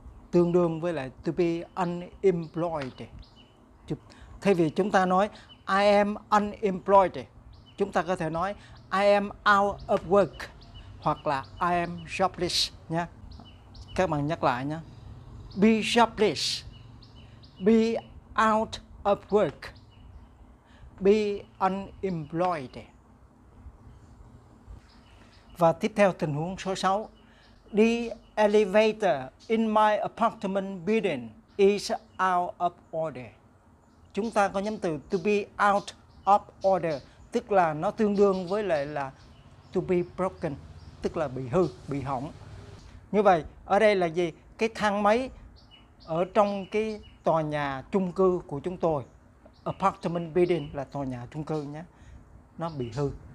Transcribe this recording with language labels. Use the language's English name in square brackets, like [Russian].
[Vietnamese] Tương đương với lại [English] to be unemployed. [Vietnamese] Thay vì chúng ta nói [English] I am unemployed, [Vietnamese] chúng ta có thể nói [English] I am out of work [Vietnamese] hoặc là [English] I am jobless [Vietnamese] nha. Các bạn nhắc lại nha. [English] Be jobless. Be out of work. Be unemployed. [Vietnamese] Và tiếp theo tình huống số 6. [English] The elevator in my apartment building is out of order. [Vietnamese] Chúng ta có nhóm từ [English] to be out of order, [Vietnamese] tức là nó tương đương với lại là [English] to be broken, [Vietnamese] tức là bị hư, bị hỏng. Như vậy, ở đây là gì? Cái thang máy ở trong cái tòa nhà chung cư của chúng tôi, apartment building là tòa nhà chung cư nhé, nó bị hư.